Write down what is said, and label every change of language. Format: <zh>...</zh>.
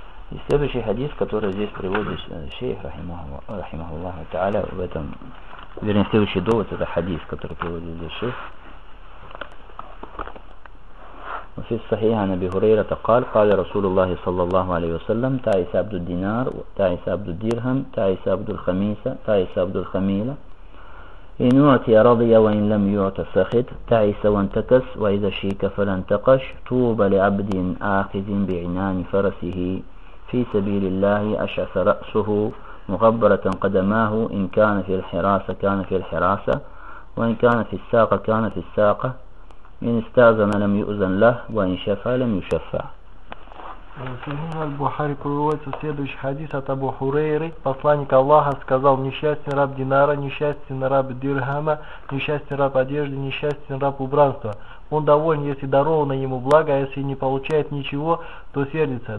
<ru>И следующий хадис, который здесь приводит шейх, рахимахуллаху та'аля, в этом, вернее, следующий довод, это хадис, который приводит здесь шейх.</ru> <ar>وفي الصحيح عن أبي هريرة قال قال رسول الله صلى الله عليه وسلم تعيس عبد الدينار تعيس عبد الدرهم تعيس عبد الخميسة تعيس عبد الخميلة إن أعطي رضي وإن لم يعط سخط تعيس وانتكس وإذا شيك فلانتقش طوبى لعبد آخذ بعنان فرسه في سبيل الله أشعث رأسه مغبرة قدماه إن كان في الحراسة كان في الحراسة وإن كان في الساقة كان في الساقة إن استأذن لم يؤذن له وإن شفع لم يشفع. سنن البخاري</ar> <ru>приводится следующий хадис от Абу Хурейры. Посланник Аллаха сказал: несчастен раб динара, несчастен раб дирхама, несчастен раб одежды, несчастен раб убранства. Он доволен, если даровано ему благо, а если не получает ничего, то сердится.</ru>